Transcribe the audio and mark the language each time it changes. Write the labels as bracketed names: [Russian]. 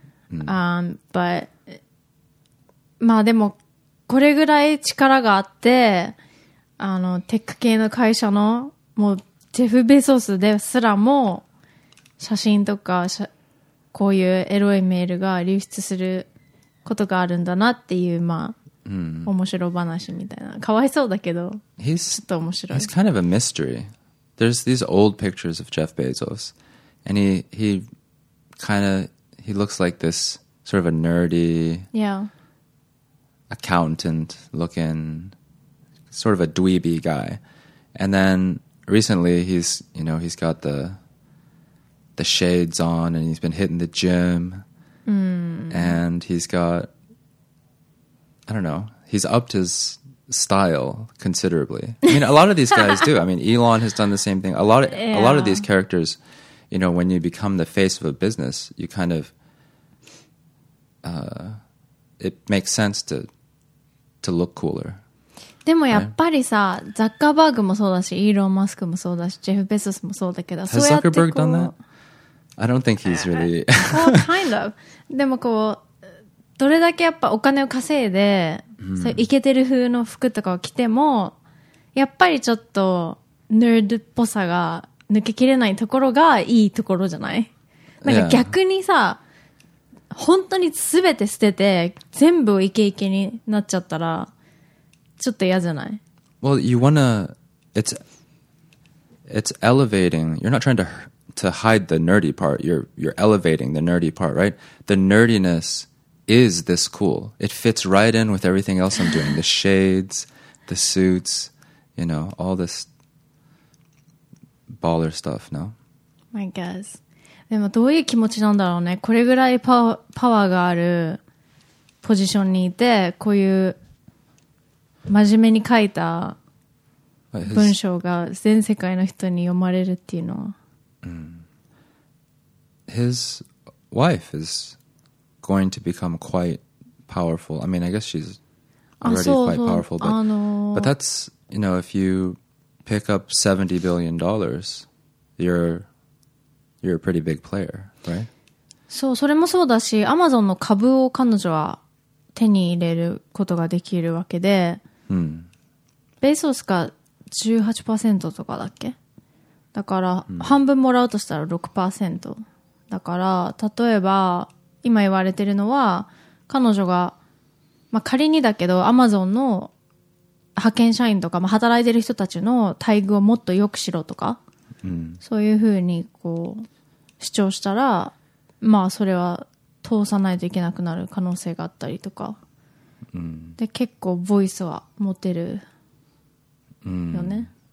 [English] But, [Japanese] まあでも、これぐらい力があって、あの、テック系の会社の、もう、ジェフ・ベゾスですらも、写真とか、こういうエロいメールが流出することがあるんだなっていう、まあ、面白話みたいな。かわいそうだけど、ちょっと面白い。 [English] He's kind of a mystery. There's these old pictures of Jeff Bezos, and he looks like this sort of a nerdy, yeah, accountant looking, sort of a dweeby guy. And then recently he's, you know, he's got the shades on and he's been hitting the gym. Mm. And he's got, I don't know, he's upped his style considerably. I mean, a lot of these guys do. I mean, Elon has done the same thing. A lot of these characters, you know, when you become the face of a business, you kind of, it makes sense to look cooler. [Japanese] でもやっぱりさ、 [English] right? [Japanese] ザッカーバーグもそうだし、イーロン・マスクもそうだし、ジェフ・ベゾスもそうだけど、 [English] Has Zuckerberg done that? I don't think he's really... well, kind of. [Japanese] でもこう、どれだけやっぱお金を稼いで、そういうイケてる風の服とかを着ても、やっぱりちょっと、ヌードっぽさが抜けきれないところがいいところじゃない? なんか逆にさ、yeah. 本当に全て捨てて、全部イケイケになっちゃったら、ちょっと嫌じゃない? [English] Well, you wanna... It's elevating. You're not trying to hide the nerdy part. You're elevating the nerdy part, right? The nerdiness is this cool. It fits right in with everything else I'm doing. The shades, the suits, you know, all this baller stuff, no? I guess. [Japanese] でもどういう気持ちなんだろうね。これぐらいパワーがあるポジションにいて、こういう真面目に書いた文章が全世界の人に読まれるっていうのは。 [English] His wife is going to become quite powerful. I mean, I guess she's already quite powerful, but that's, you know, if you pick up $70 billion, you're a pretty big player, right? [Japanese] そう、それもそうだし、Amazonの株を彼女は手に入れることができるわけで、ベゾスが 18% とかだっけ? だから半分もらうとしたら 6% だから、例えば今言われてるのは、彼女が、まあ、仮にだけどアマゾンの派遣社員とか、まあ、働いてる人たちの待遇をもっと良くしろとか、そういうふうにこう主張したら、まあそれは通さないといけなくなる可能性があったりとか、で結構ボイスは持てるよね。